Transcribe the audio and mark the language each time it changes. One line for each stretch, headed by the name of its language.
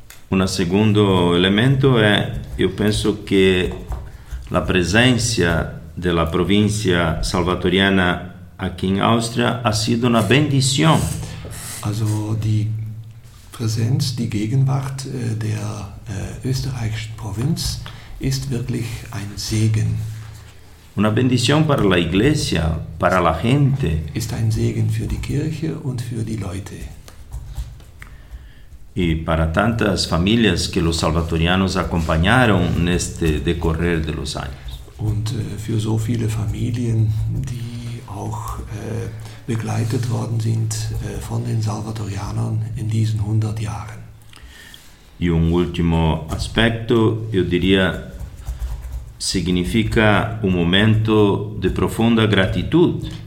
Spanish: Un segundo elemento es, yo pienso que la presencia de la provincia salvatoriana aquí en Austria ha sido una bendición.
German: Also die Präsenz, die Gegenwart der österreichischen Provinz ist wirklich ein Segen.
Spanish: Una bendición para la iglesia, para la gente.
German: Ist ein Segen für die Kirche und für die Leute.
Spanish: Y para tantas familias que los salvatorianos acompañaron en este decorrer de los años.
German: Und für so viele Familien, die auch begleitet worden sind von den Salvatorianern in diesen 100 Jahren.
Spanish: Y un último aspecto, yo diría, significa un momento de profunda gratitud.